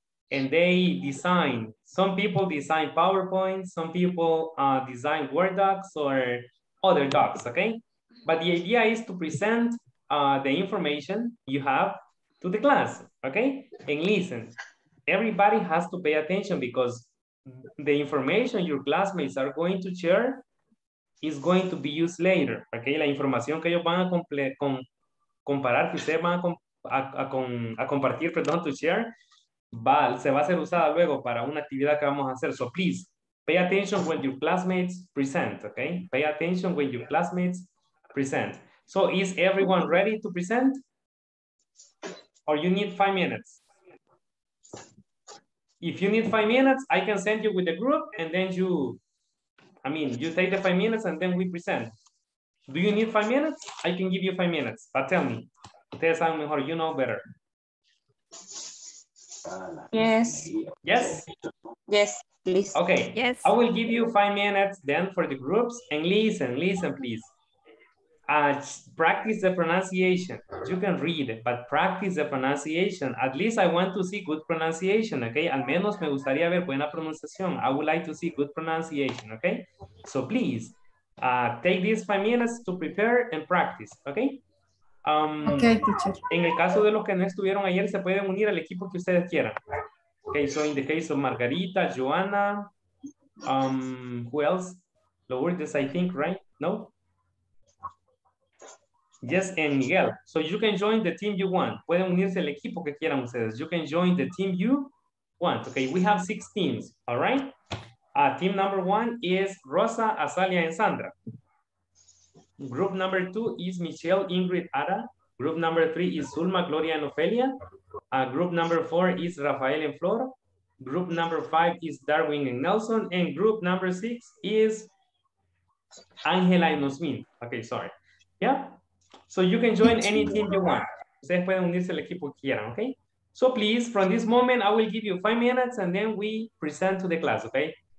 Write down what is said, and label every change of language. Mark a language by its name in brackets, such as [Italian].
[English] And they design, some people design PowerPoint, some people design Word docs or other docs, okay? But the idea is to present the information you have to the class, okay? And listen, everybody has to pay attention because the information your classmates are going to share is going to be used later, okay? [Spanish] La información que ellos van a comparar, que ustedes van a compartir, perdón, [English] to share, [Spanish] se va a ser usada luego para una actividad que vamos a hacer. [English] So please, pay attention when your classmates present, okay? Pay attention when your classmates present. So is everyone ready to present? Or you need 5 minutes? If you need 5 minutes, I can send you with the group and then you take the 5 minutes and then we present. Do you need 5 minutes? I can give you 5 minutes, but tell me. [Spanish] Ustedes saben mejor, [English] you know better. Yes. Yes? Yes, please. Okay. Yes. I will give you 5 minutes then for the groups and listen, please. Practice the pronunciation. You can read, but practice the pronunciation. At least I want to see good pronunciation, okay? [Spanish] Al menos me gustaría ver buena pronunciación. [English] I would like to see good pronunciation, okay? So please, take these 5 minutes to prepare and practice, okay? Okay, teacher. [Spanish] En el caso de los que no estuvieron ayer, se pueden unir al equipo que ustedes quieran. [English] Okay, so in the case of Margarita, Joanna, who else? Lourdes, I think, right? No? Yes, and Miguel. So you can join the team you want. [Spanish] Pueden unirse al equipo que quieran ustedes. [English] You can join the team you want. Okay, we have 6 teams, all right? Team number 1 is Rosa, Azalia, and Sandra. Group number 2 is Michelle, Ingrid, Ada. Group number three is Zulma, Gloria, and Ophelia. Group number four is Rafael and Flor. Group number five is Darwin and Nelson. And group number six is Angela and Osmin. Okay, sorry. Yeah? So you can join any team you want. [Spanish] Ustedes pueden unirse al equipo que quieran, okay? [English] So please, from this moment, I will give you 5 minutes and then we present to the class, okay?